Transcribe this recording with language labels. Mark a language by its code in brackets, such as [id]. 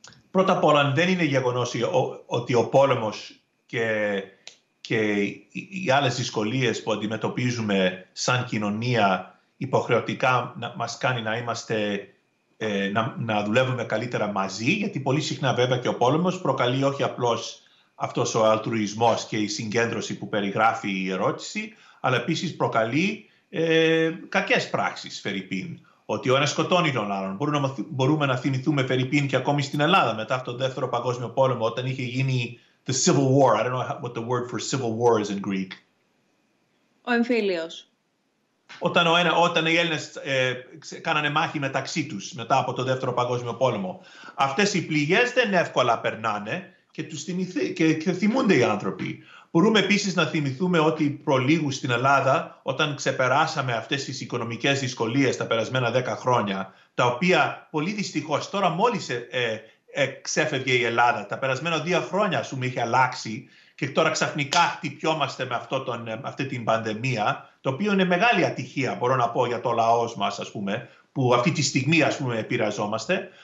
[el] Πρώτα απ' όλα, δεν είναι γεγονός ότι ο πόλεμος και οι άλλες δυσκολίες που αντιμετωπίζουμε σαν κοινωνία υποχρεωτικά μας κάνει να είμαστε, να δουλεύουμε καλύτερα μαζί, γιατί πολύ συχνά βέβαια και ο πόλεμος προκαλεί όχι απλώς αυτός ο αλτρουισμός και η συγκέντρωση που περιγράφει η ερώτηση, αλλά επίσης προκαλεί κακές πράξεις φερυπίν, ότι ο ένας σκοτώνει τον άλλον. Μπορούμε να θυμηθούμε φερυπίν και ακόμη στην Ελλάδα μετά από τον Δεύτερο Παγκόσμιο Πόλεμο, όταν είχε γίνει [en] the civil war. I don't know what the word for civil war is in Greek. [el] Ο εμφύλιος. Όταν οι Έλληνες κάνανε μάχη μεταξύ τους μετά από τον Δεύτερο Παγκόσμιο Πόλεμο. Αυτές οι πληγές δεν εύκολα περνάνε και θυμούνται οι άνθρωποι. Μπορούμε επίσης να θυμηθούμε ότι προλίγου στην Ελλάδα, όταν ξεπεράσαμε αυτές τις οικονομικές δυσκολίες τα περασμένα 10 χρόνια, τα οποία πολύ δυστυχώς τώρα μόλις ξέφευγε η Ελλάδα, τα περασμένα 2 χρόνια σου είχε αλλάξει, και τώρα ξαφνικά χτυπιόμαστε με αυτή την πανδημία, το οποίο είναι μεγάλη ατυχία, μπορώ να πω, για το λαό μας, ας πούμε, που αυτή τη στιγμή, ας πούμε, επηρεαζόμαστε.